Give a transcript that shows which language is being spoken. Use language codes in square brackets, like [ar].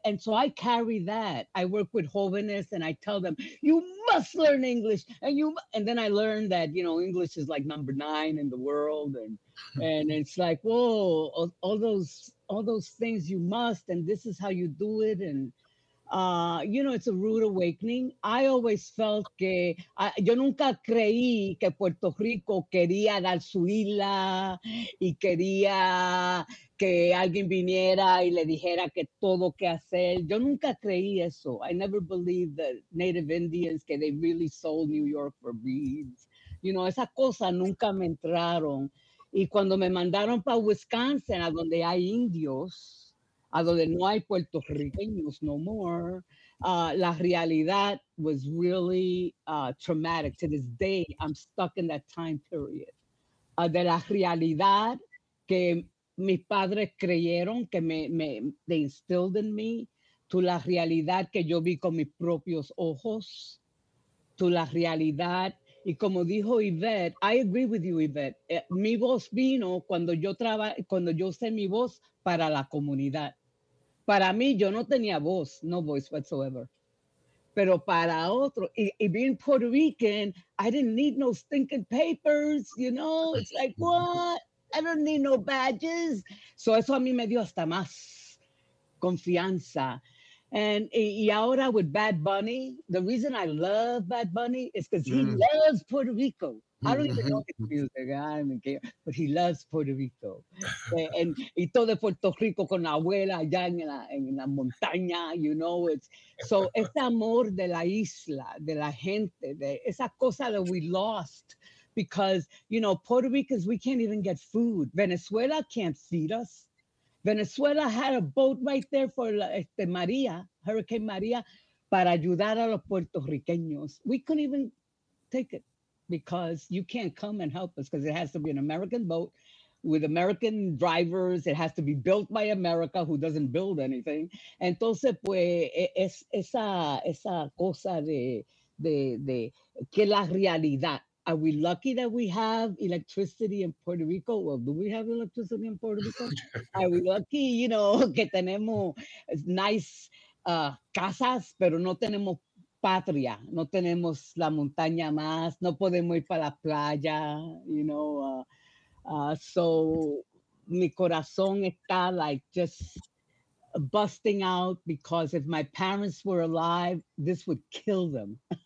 [en] And so I carry that. I work with jóvenes and I tell them, you must learn English. And then I learned that, you know, English is like number 9 in the world. And it's like, whoa, all those things you must, and this is how you do it. And You know, it's a rude awakening. I always felt [es] que yo nunca creí que Puerto Rico quería dar su isla y quería que alguien viniera y le dijera que todo que hacer. Yo nunca creí eso. [en] I never believed that Native Indians, que they really sold New York for beads. You know, [es] esas cosas nunca me entraron. Y cuando me mandaron para Wisconsin, a donde hay indios, a donde no hay puertorriqueños [en] no more, [es] la realidad [en] was really traumatic. To this day, I'm stuck in that time period. [es] De la realidad que mis padres creyeron que [en] they instilled in me, [es] to la realidad que yo vi con mis propios ojos, to la realidad. Y como dijo Yvette, [en] I agree with you, Yvette. [es] Mi voz vino cuando yo usé mi voz para la comunidad. Para mí, yo no tenía voz, [en] no voice whatsoever. [es] Pero para otro, y [en] being Puerto Rican, I didn't need no stinking papers, you know? It's like, what? I don't need no badges. [es] So eso a mí me dio hasta más confianza. [en] And [es] y ahora [en] with Bad Bunny, the reason I love Bad Bunny is because he loves Puerto Rico. I don't even know his music, I don't care, but he loves Puerto Rico. [es] Y todo de Puerto Rico con la abuela allá en la montaña, [en] you know. So [es] ese amor de la isla, de la gente, de esa cosa [en] that we lost because, you know, Puerto Ricans, we can't even get food. Venezuela can't feed us. Venezuela had a boat right there for Maria, Hurricane Maria, [es] para ayudar a los puertorriqueños. [en] We couldn't even take it because you can't come and help us because it has to be an American boat with American drivers. It has to be built by America, who doesn't build anything. [es] Entonces, pues, esa cosa de que la realidad. [en] Are we lucky that we have electricity in Puerto Rico? Well, do we have electricity in Puerto Rico? Are we lucky, you know, [es] que tenemos nice casas, pero no tenemos patria, no tenemos la montaña más, no podemos ir para la playa, [en] you know. So [es] mi corazón está [en] like just busting out because if my parents were alive, this would kill them.